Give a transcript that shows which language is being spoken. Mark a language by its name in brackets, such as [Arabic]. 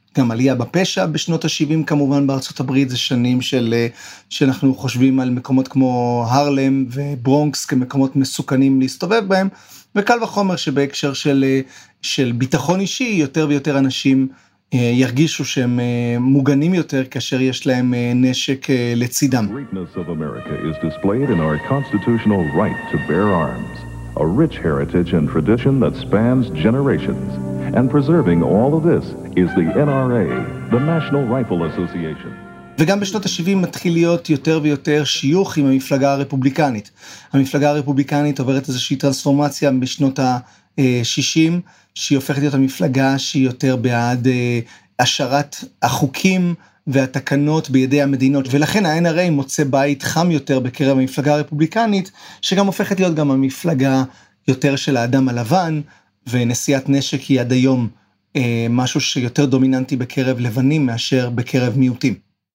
[Hebrew] גם עלייה בפשע בשנות ה-70 כמובן בארצות הברית, זה שנים של, שאנחנו חושבים על מקומות כמו הרלם וברונקס כמקומות מסוכנים להסתובב בהם, וקל וחומר שבהקשר של, של ביטחון אישי, יותר ויותר אנשים ירגישו שהם מוגנים יותר כאשר יש להם נשק לצידם. [English] Greatness of America is displayed in our constitutional right to bear arms, a rich heritage and tradition that spans generations. And preserving all of this is the NRA, the National Rifle Association. [Hebrew] וגם בשנות ה-70 מתחיל להיות יותר ויותר שיוך עם המפלגה הרפובליקנית. המפלגה הרפובליקנית עוברת איזושהי טרנספורמציה בשנות ה-60, שהיא הופכת להיות המפלגה שהיא יותר בעד השארת החוקים והתקנות בידי המדינות, ולכן ה-NRA מוצא בית חם יותר בקרב המפלגה הרפובליקנית, שגם הופכת להיות גם המפלגה יותר של האדם הלבן, ונשיאת נשק היא עד היום משהו שיותר דומיננטי בקרב לבנים מאשר בקרב מיעוטים.